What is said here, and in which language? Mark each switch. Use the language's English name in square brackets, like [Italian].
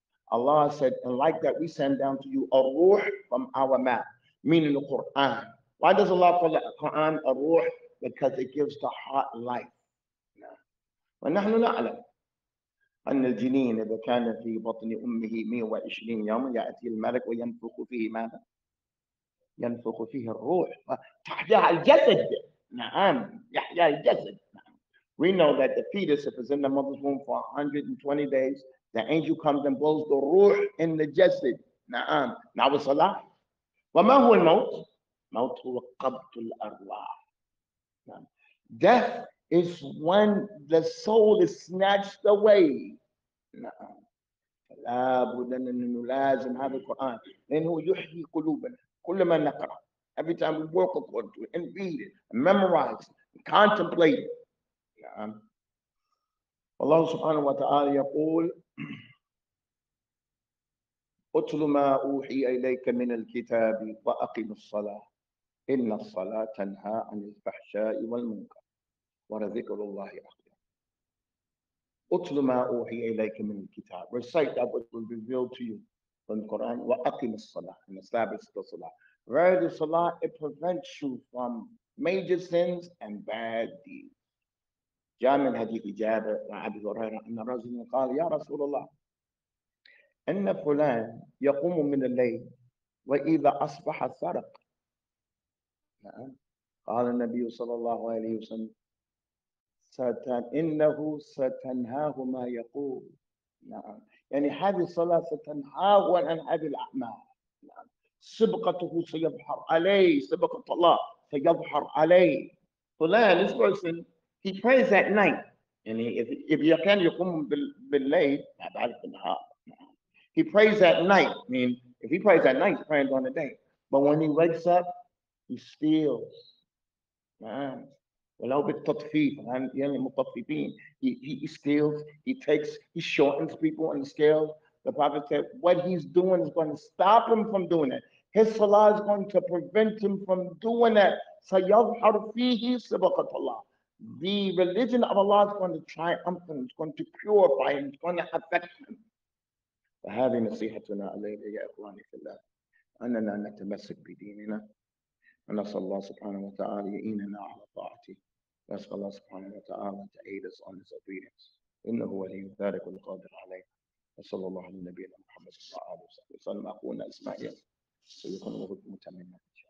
[English] Allah said, and like that we send down to you a ruh from our mouth. Meaning the Quran. Why does Allah call the Quran a ruh? Because it gives the heart life. [Arabic] ونحن نعلم أن الجنين إذا كان في بطن أمه 120 يوما يأتي الملك وينفخ فيه ماذا؟ ينفخ فيه الروح. تحيا الجسد. نعم. يحيا الجسد. [English] We know that the fetus, if it's in the mother's womb for 120 days, the angel comes and blows the روح in the jasad. [Arabic] نعم. [English] Now it's alive. [Arabic] وما هو الموت؟ موت هو قبض الأرواح. [English] Death is when the soul is snatched away. [Arabic] فلا بد أن نلازم هذا القرآن لأنه يحيي قلوبنا كلما نقرأ. [English] Every time we work according to it and read it and memorize it and contemplate it. [Arabic] والله سبحانه وتعالى يقول أتل ما أوحي إليك من الكتاب وأقم الصلاة إن الصلاة تنهى عن الفحشاء والمنكر ولذكر الله أكبر. أتل ما أوحي إليك من الكتاب. [English] Recite that which was revealed to you from the Quran. [Arabic] وأقم الصلاة [English] and establish the صلاة. Where the salah, it prevents you from major sins and bad deeds. [Arabic] جاء من هذه الإجابة عن أبي هريرة أن رجلا قال يا رسول الله إن فلان يقوم من الليل وإذا أصبح سرق. قال النبي صلى الله عليه وسلم إنه ستنهاه ما يقول. نعم يعني هذه الصلاة ستنهاه عن هذه الأعمال. نعم سبقته سيظهر عليه, سبقة الله سيظهر عليه. [English] فلان this person he prays at night, يعني if he can [Arabic] يقوم بالليل ما بعرف النهار. [English] He prays at night, I mean if he prays at night he prays during the day, but when he wakes up he steals. [Arabic] نعم ولو بالتطفيف يعني مطففين. [English] He steals, he takes, he shortens people on the scale. The Prophet said what he's doing is going to stop him from doing it. His salah is going to prevent him from doing it. [Arabic] سيظهر فيه سبقة الله. [English] The religion of Allah is going to triumph him, it's going to purify him, it's going to affect him. [Arabic] فهذه نصيحتنا الليلة يا إخواني في الله أننا نتمسك بديننا. ونسأل الله سبحانه وتعالى يعيننا على طاعته. نسأل الله سبحانه وتعالى [English] to aid us on his obedience. [Arabic] إنه ولي ذلك والقادر عليه. وصلى الله على نبينا محمد صلى الله عليه وسلم. أقول أسمائي سيكون وغد متمنى.